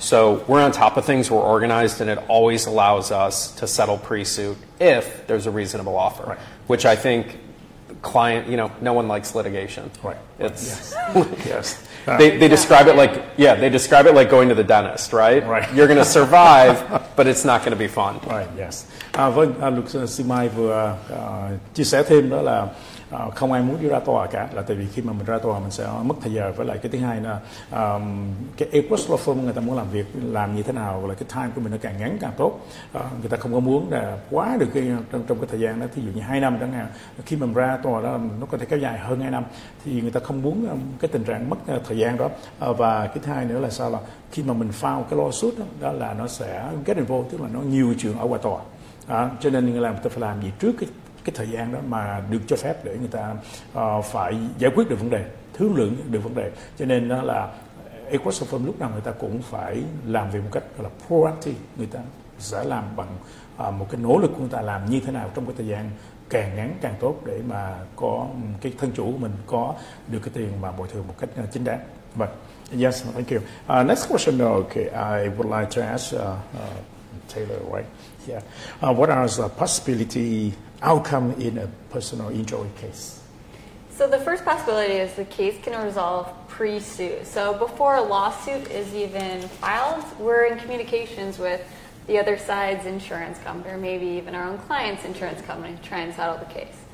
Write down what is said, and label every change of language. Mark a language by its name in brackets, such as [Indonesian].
[English] So we're on top of things, we're organized, and it always allows us to settle pre-suit if there's a reasonable offer, which I think client, you know, no one likes litigation. Right. It's yes. they describe it like they describe it like going to the dentist, right? Right. You're gonna survive, but it's not gonna be fun. Right, yes. [Vietnamese] Vâng, luật sư Mai vừa chia sẻ thêm đó là không ai muốn đi ra tòa cả, là tại vì khi mà mình ra tòa mình sẽ mất thời giờ. Với lại cái thứ hai là cái Agruss Law Firm người ta muốn làm việc làm như thế nào, là cái time của mình nó càng ngắn càng tốt. Người ta không có muốn là quá được cái, trong cái thời gian đó, thí dụ như 2 năm chẳng hạn, khi mình ra tòa đó nó có thể kéo dài hơn 2 năm, thì người ta không muốn cái tình trạng mất thời gian đó. Và cái thứ hai nữa là sao, là khi mà mình file cái lawsuit đó, đó là nó sẽ get involved, tức là nó nhiều trường ở ngoài tòa. Cho nên người làm người ta phải làm gì trước cái thời gian đó mà được cho phép để người ta phải giải quyết được vấn đề, thương lượng được vấn đề. Cho nên đó là Agruss Law Firm lúc nào người ta cũng phải làm việc một cách gọi là proactive, người ta sẽ làm bằng một cái nỗ lực của người ta làm như thế nào trong cái thời gian càng ngắn càng tốt để mà có cái thân chủ của mình có được cái tiền mà bồi thường một cách chính đáng. [English] But, yes, thank you. Next question, okay, I would like to ask Taylor, right? Yeah. What are the possibility outcome in a personal injury case? So the first possibility is the case can resolve pre-suit. So before a lawsuit is even filed, we're in communications with the other side's insurance company, or maybe even our own client's insurance company, to try and settle the case.